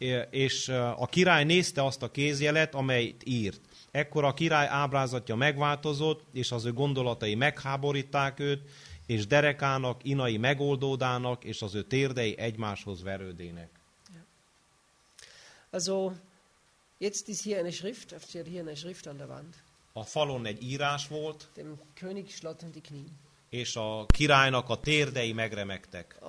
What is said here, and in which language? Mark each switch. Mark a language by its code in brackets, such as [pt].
[hu] És a király nézte azt a kézjelet, amelyet írt. Ekkor a király ábrázatja megváltozott, és az ő gondolatai megháborítják őt, és derekának, inai megoldódának, és az ő térdei egymáshoz verődének. [de] Also, jetzt ist hier eine Schrift, hier eine Schrift an der Wand. [hu] A falon egy írás volt, [de] dem König schlottern die Knie. [hu] És a királynak a térdei megremegtek.